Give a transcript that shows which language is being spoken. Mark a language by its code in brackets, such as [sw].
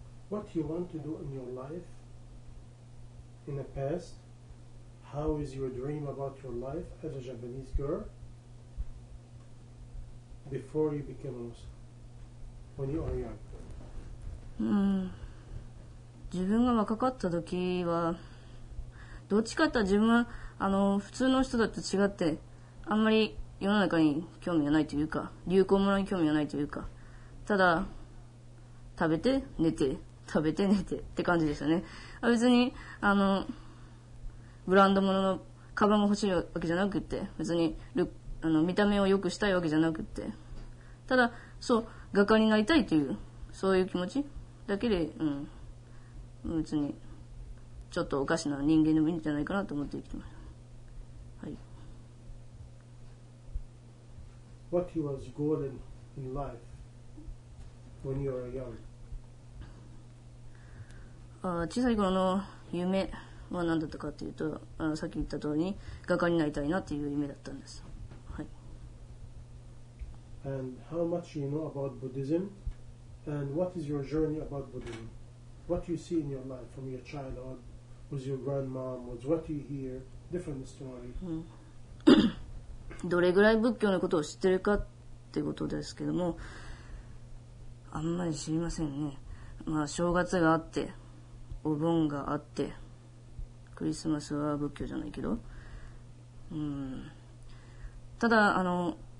[en] What you want to do in your life in the past? How is your dream about your life as a Japanese girl before you became a Muslim when you are young? [ja] 自分が若かった時はどっちかって自分はあの普通の人だと違ってあんまり世の中に興味がないというか流行物に興味がないというか、ただ食べて寝て食べて寝てって感じでしたね。別にあのブランド物のカバンが欲しいわけじゃなくって、別にあの見た目を良くしたいわけじゃなくって、ただそう画家になりたいというそういう気持ちだけで、うん、別にちょっとおかしな人間でもいいんじゃないかなと思って生きてました。はい。 [en] What was your goal in life when you were young? [ja] 小さい頃の夢は何だったかというと、さっき言った通りに画家になりたいなっていう夢だったんです。はい。 [en] And how much you know about Buddhism and what is your journey about Buddhism? What you see in your life from your childhood with your grandmom, with what you hear, different story. [ja] どれぐらい仏教のことを知ってるかってことですけども、あんまり知りませんね。まあ正月があってお盆があってクリスマスは仏教じゃないけど、うん、ただあの